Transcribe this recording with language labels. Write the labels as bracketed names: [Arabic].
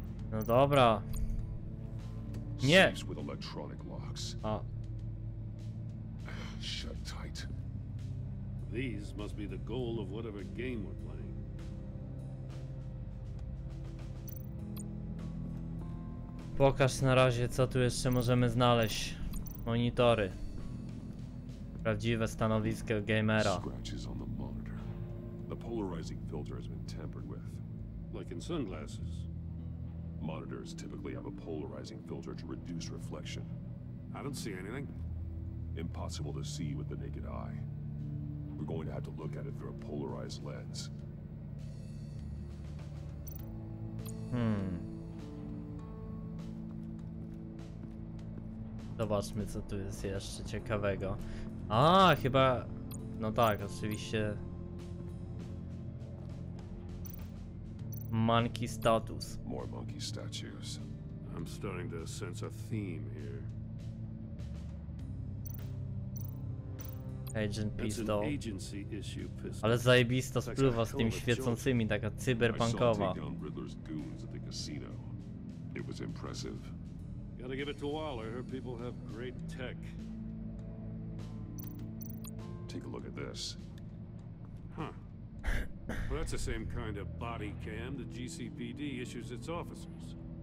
[Polish] No dobra. Nie. [English] With electronic locks. A. Shut tight. These must be the goal of whatever game we're playing. [Polish] Pokaż na razie, co tu jeszcze możemy znaleźć. Monitory. Prawdziwe stanowisko gamera. [English] Scratches on the monitor. The polarizing filter has been tampered with. Like in sunglasses. Monitors typically have a polarizing filter to reduce reflection. I don't see anything. Impossible to see with the naked eye. We're going to have to look at it through a polarized lens. [Polish] Zobaczmy, co tu jest jeszcze ciekawego. A, chyba... No tak, oczywiście. [English] Monkey status. More monkey statues. I'm starting to sense a theme here. Agent pistol. It's an agency issue pistol. [Polish] Ale zajebista spluwa z tymi świecącymi, taka cyberpunkowa. [English] I saw take down Riddler's goons at the casino. It was impressive. Gotta give it to Waller. Her people have great tech. Take a look at this. Huh. Well, that's the same kind of body cam the GCPD issues its officers.